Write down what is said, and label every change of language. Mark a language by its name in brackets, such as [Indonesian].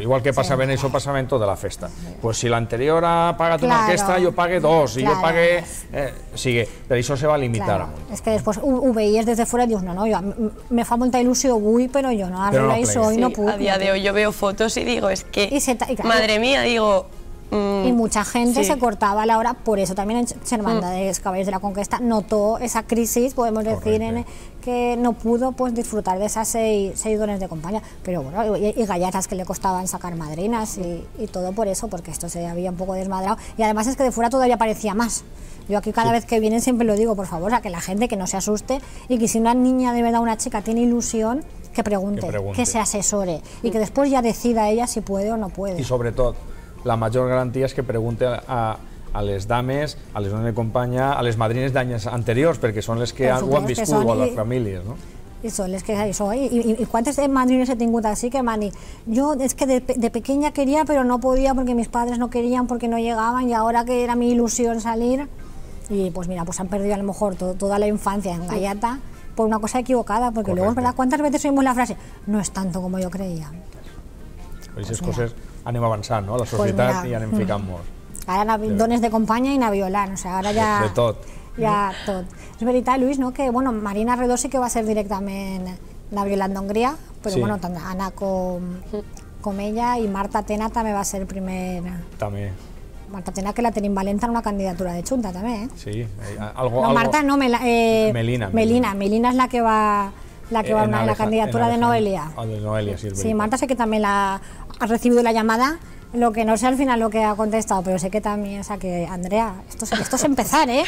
[Catalan] Pues igual que passava en això, passava en tota la festa. Pues si l'anterior ha pagat una orquestra, jo pague dos, i jo pague... sigue, per això se va limitar. És que després ho veies des de fora i dius, no, jo, me fa molta il·lusió avui, però jo no arribo a això i no puc. A dia d'avui jo [Spanish] veo [Catalan] fotos i [Spanish] digo, [Catalan] és que... [Spanish] Madre mía, digo... Y mucha gente sí. Se cortaba a la hora, por eso también en Xermanda de Caballeros de la Conquista notó esa crisis, podemos decir, en que no pudo pues disfrutar de esas seis dones de compañía, pero bueno, y gallatas que le costaban sacar madrinas y todo por eso, porque esto se había un poco desmadrado, y además es que de fuera todavía parecía más. Yo aquí cada vez que vienen siempre lo digo, por favor, o sea, que la gente que no se asuste, y que si una niña de verdad, una chica tiene ilusión, que pregunte, que se asesore, y que después ya decida ella si puede o no puede. Y sobre todo, [Catalan] la major garantia és que pregunte a les dames, a les dones de companya, a les madrines d'anys anteriors, perquè són les que ho han viscut, o a les famílies, no? I són les que això, i quantes madrines he tingut així que m'han dit, jo és que [Spanish] de pequeña quería, [Catalan] però no podia perquè [Spanish] mis padres no querían, [Catalan] perquè [Spanish] no llegaban, [Catalan] i ara que era [Spanish] mi il·lusió salir, i pues mira, pues han perdido a lo mejor toda la infancia en gallata por una cosa equivocada, porque luego, ¿verdad? ¿Cuántas veces oímos la frase? No es tanto como yo creía. [Catalan] Aquestes coses anem avançant, no?, a la societat, i anem ficant-nos. Ara dones de companya i anar violant, o sigui, ara ja... De tot. Ja tot. És veritat, Lluís, no?, que, bueno, Marina Redó sí que va ser directament anar violant d'Hongria, però, bueno, tant Anna com ella, i Marta Tena també va ser primer... També. Marta Tena, que la tenim valenta en una candidatura de Xunta, també, eh? Sí. No, Marta, no, Melina. Melina, Melina és la que va... La que va a la candidatura de Noelia. De Noelia, sí. [Spanish] Sí, Marta sé que también ha recibido la llamada, lo que no sé al final lo que ha contestado, pero sé que también, o sea, que Andrea, esto es empezar, ¿eh?